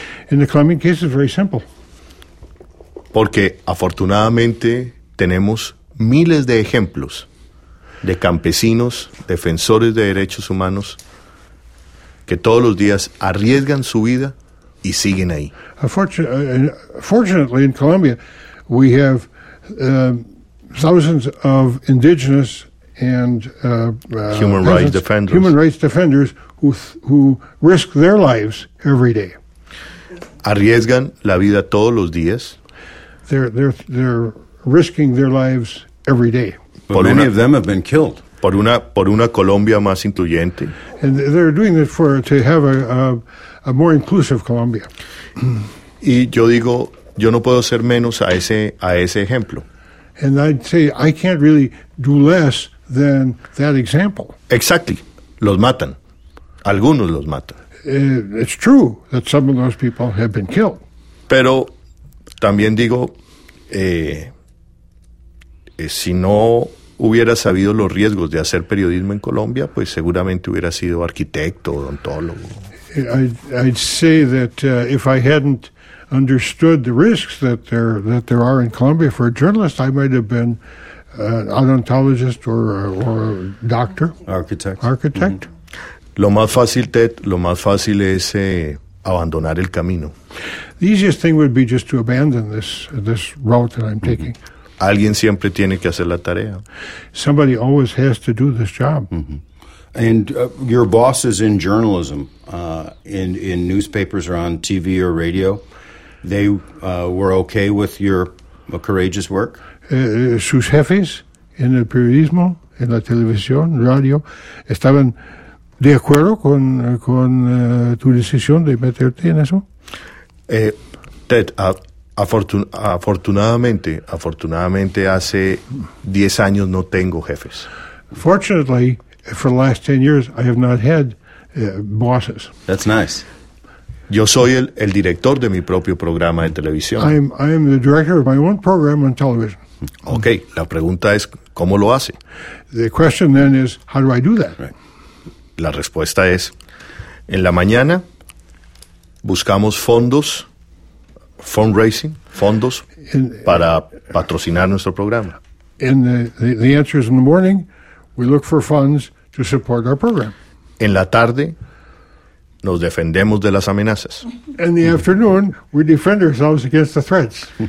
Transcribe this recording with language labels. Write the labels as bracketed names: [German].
[English] In the Colombian case it's very simple. [Spanish] Porque afortunadamente tenemos miles de ejemplos de campesinos, defensores de derechos humanos, que todos los días arriesgan su vida y siguen ahí. [English] Fortunately, in Colombia, we have thousands of indigenous and human rights defenders who risk their lives every day. [Spanish] Arriesgan la vida todos los días. [English] They're risking their lives every day. But many of them have been killed. [Spanish] Por una Colombia más incluyente. [English] And they're doing it to have a more inclusive Colombia. [Spanish] Y yo digo, yo no puedo ser menos a ese ejemplo. [English] And I'd say I can't really do less than that example. [Spanish] Exactly. Los matan. Algunos los matan. [English] It's true that some of those people have been killed. [Spanish] Pero también digo, si no hubiera sabido los riesgos de hacer periodismo en Colombia, pues seguramente hubiera sido arquitecto, odontólogo. [English] I'd say that if I hadn't understood the risks that there are in Colombia for a journalist, I might have been an odontologist or a doctor. Architect. Mm-hmm. [Spanish] Lo más fácil, Ted, lo más fácil es abandonar el camino. [English] The easiest thing would be just to abandon this route that I'm taking. [Spanish] Mm-hmm. Alguien siempre tiene que hacer la tarea. [English] Somebody always has to do this job. Mm-hmm. And your boss is in journalism, in newspapers or on TV or radio. They were okay with your courageous work? [Spanish] Sus jefes en el periodismo, en la televisión, radio, estaban de acuerdo con tu decisión de meterte en eso. Ted, afortunadamente hace 10 años no tengo jefes. [English] Fortunately, for the last 10 years, I have not had bosses. That's nice. [Spanish] Yo soy el director de mi propio programa de televisión. [English] I am the director of my own program on television. [Spanish] Okay, la pregunta es, ¿cómo lo hace? [English] The question then is, how do I do that? Right. [Spanish] La respuesta es, en la mañana buscamos fondos, fundraising, fondos para patrocinar nuestro programa. [English] In the answer is in the morning, we look for funds to support our program. [Spanish] En la tarde, nos defendemos de las amenazas. [English] In the afternoon, we defend ourselves against the threats.